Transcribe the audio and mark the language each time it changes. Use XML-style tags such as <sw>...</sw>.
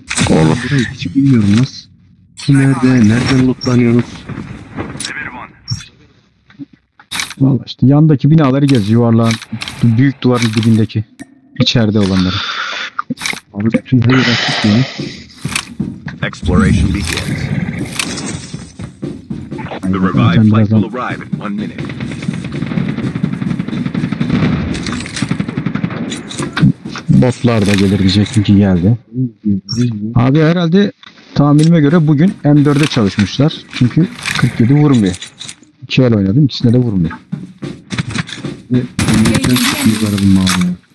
<tr>Oğlum burayı hiç bilmiyorum nasıl. Kim nerede? Nereden lootlanıyoruz? Valla işte yandaki binaları gez. Yuvarlağın büyük duvarın dibindeki. İçeride olanları. Abi bütün her yer açık ya.</tr> <en>Exploration begins. The revived flight will arrive in 1 minute.</en> <tr>Botlar da gelir diyecektim ki geldi. Abi herhalde tahminime göre bugün M4'e çalışmışlar. Çünkü 47 vurmuyor. 2 el oynadım, ikisine de vurmuyor. M4'den çıkmış arabamı abi.</tr>